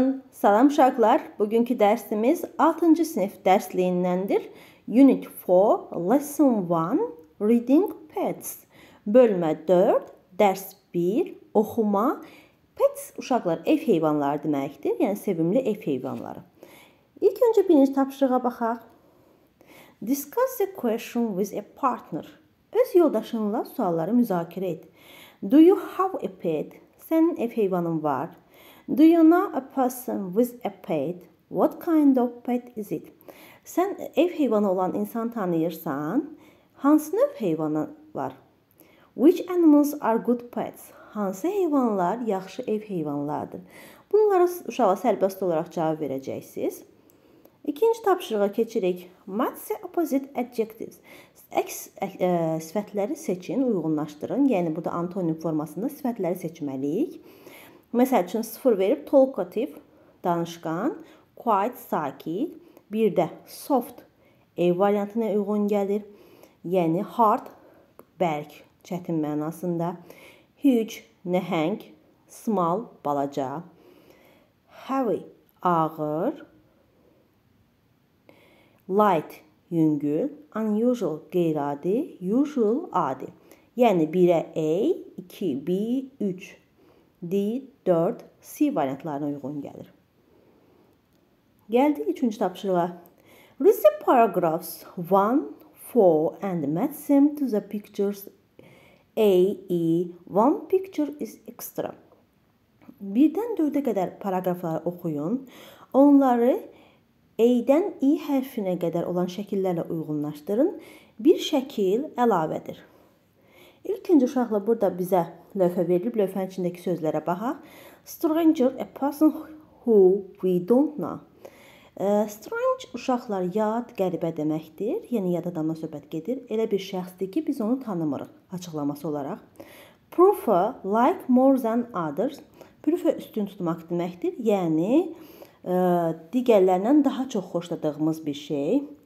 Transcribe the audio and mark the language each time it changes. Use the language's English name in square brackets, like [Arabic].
[Azerbaijani] Salam uşaqlar, bugünkü dərsimiz 6-cı sinif dərsliyindəndir. [English] Unit 4, Lesson 1, Reading Pets. [Azerbaijani] Bölmə 4, dərs 1, oxuma. Pets uşaqlar ev heyvanları deməkdir, yəni sevimli ev heyvanları. İlk öncə birinci tapşırığa baxaq. [English] Discuss a question with a partner. [Azerbaijani] Öz yoldaşınla sualları müzakirə et. [English] Do you have a pet? [Azerbaijani] Sənin ev heyvanın var. [English] Do you know a person with a pet? What kind of pet is it? [Azerbaijani] Sən ev heyvanı olan insan tanıyırsan, hansı növ heyvanı var? [English] Which animals are good pets? [Azerbaijani] Hansı heyvanlar yaxşı ev heyvanlardır? Bunlara uşağa sərbəst olaraq cavab verəcəksiniz. İkinci tapşırığa keçirik. [English] Match the opposite adjectives. [Azerbaijani] Əks sifətləri seçin, uyğunlaşdırın. Yəni burada antonim formasında sifətləri seçməliyik. Məsəl üçün, sıfır verib, talkative, danışqan, quiet, sakit, bir də soft, ev variantına uyğun gəlir, yəni hard, bərk, çətin mənasında, huge, nəhəng, small, balaca, heavy, ağır, light, yüngül, unusual, qeyri-adi, usual, adi, yəni 1-ə A, 2, B, 3. D, 4, C variantlarına uyğun gəlir. Gəldik üçüncü tapşırığa. [English] Read the paragraphs 1, 4 and match them to the pictures A, E. One picture is extra. [Azerbaijani] Birdən dördə qədər paragrafları oxuyun. Onları A-dən E hərfinə qədər olan şəkillərlə uyğunlaşdırın. Bir şəkil əlavədir. İlkinci uşaqla burada bizə lövhə verilib, lövhənin içindəki sözlərə baxaq. [English] Stranger, a person who we don't know. [Azerbaijani] Strange uşaqlar yad, qəribə deməkdir. Yəni, yad adamla söhbət gedir. Elə bir şəxsdir ki, biz onu tanımırıq açıqlaması olaraq. [English] Prefer, like more than others. [Azerbaijani] Prefer üstün tutmaq deməkdir. Yəni, digərlərindən daha çox xoşladığımız bir şey.